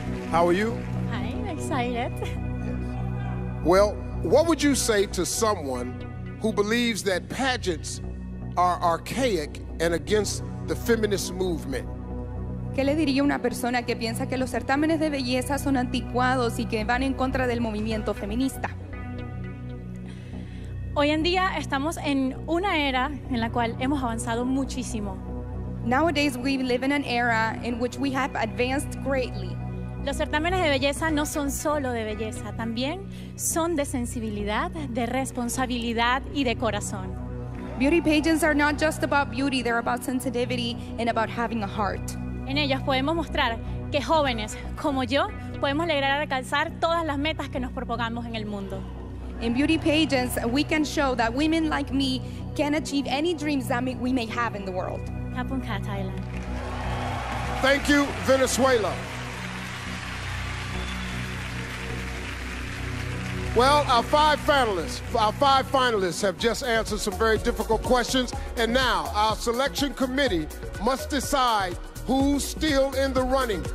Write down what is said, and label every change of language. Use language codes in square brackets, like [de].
[en] How are you? I'm excited. Well, what would you say to someone who believes that pageants are archaic and against the feminist movement? [es] ¿Qué le diría a una persona que piensa que los certámenes de belleza son anticuados y que van en contra del movimiento feminista? Hoy en día estamos en una era en la cual hemos avanzado muchísimo. [en] Nowadays we live in an era in which we have advanced greatly. [es] Los certámenes de belleza no son solo de belleza, también son de sensibilidad, de responsabilidad y de corazón. [en] Beauty pageants are not just about beauty, they're about sensitivity and about having a heart. [es] En ellas podemos mostrar que jóvenes como yo podemos lograr alcanzar todas las metas que nos propongamos en el mundo. [en] In beauty pageants, we can show that women like me can achieve any dreams that we may have in the world. Kapunka, Thailand. Thank you, Venezuela. Well, our five finalists have just answered some very difficult questions, and now our selection committee must decide who's still in the running.